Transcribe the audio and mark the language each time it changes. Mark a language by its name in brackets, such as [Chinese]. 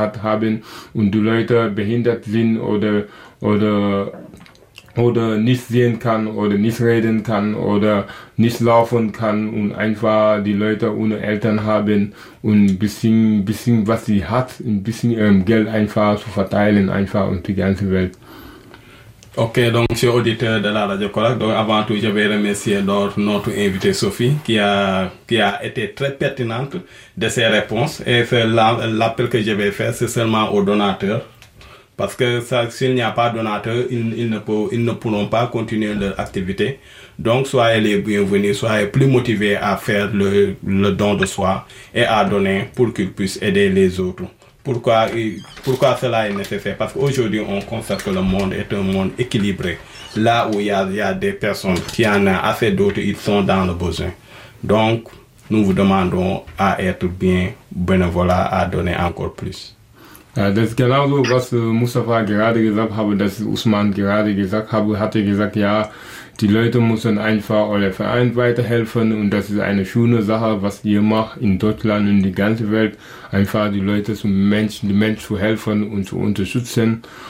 [German] haben und die Leute behindert sind oder nicht sehen kann oder nicht reden kann oder nicht laufen kann und einfach die Leute ohne Eltern haben und ein bisschen was sie hat, ein bisschen Geld einfach zu verteilen einfach und die ganze Welt. [French] Okay, donc chers auditeurs de la Radio Collab, donc avant tout je vais remercier notre invité Sophie qui a été très pertinente de ses réponses et c'est l'appel que je vais faire, c'est seulement aux donateurs. Parce que ça, s'il n'y a pas de donateur, ils ne pourront pas continuer leur activité. Donc, soyez les bienvenus, soyez plus motivés à faire le don de soi et à donner pour qu'ils puissent aider les autres. Pourquoi cela est nécessaire? Parce qu'aujourd'hui, on constate que le monde est un monde équilibré. Là où il y a des personnes qui en ont assez, d'autres, ils sont dans le besoin. Donc, nous vous demandons à être bien bénévole, à donner encore plus. [German] Das ist genauso, was Moustapha gerade gesagt habe, dass Ousmane gerade gesagt habe, hatte gesagt, ja, die Leute müssen einfach eure Verein weiterhelfen und das ist eine schöne Sache, was ihr macht in Deutschland und die ganze Welt, einfach die Leute zum Menschen, die Menschen zu helfen und zu unterstützen.